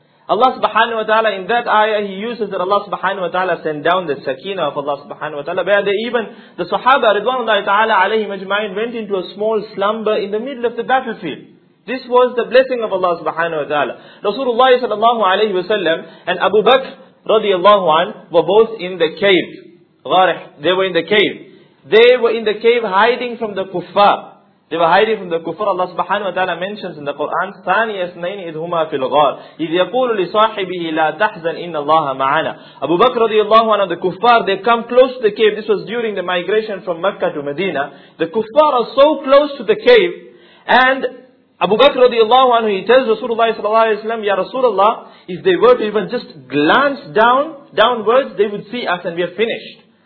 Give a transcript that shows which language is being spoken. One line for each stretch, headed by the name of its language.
English: Allah subhanahu wa ta'ala, in that ayah, he uses that Allah subhanahu wa ta'ala sent down the sakina of Allah subhanahu wa ta'ala, where they even, the sahaba ridwanullahi ta'ala alayhi majma'in, went into a small slumber in the middle of the battlefield. This was the blessing of Allah subhanahu wa ta'ala. Rasulullah sallallahu alayhi wa sallam and Abu Bakr radiallahu anhu were both in the cave. Gharih, they were in the cave. They were in the cave hiding from the kuffar. They were hiding from the kufr. Allah subhanahu wa ta'ala mentions in the Quran,
Arabic: ثاني اثنين إذ هما في الغار إذ يقول لصاحبه لا تحزن إن الله معنا.
English: Abu Bakr radiallahu anhu, the kuffar, they come close to the cave. This was during the migration from Mecca to Medina. The kuffar are so close to the cave, and Abu Bakr radiallahu anhu, he tells Rasulullah sallallahu alayhi wa sallam, Ya Rasulullah, if they were to even just glance downwards, they would see us and we are finished.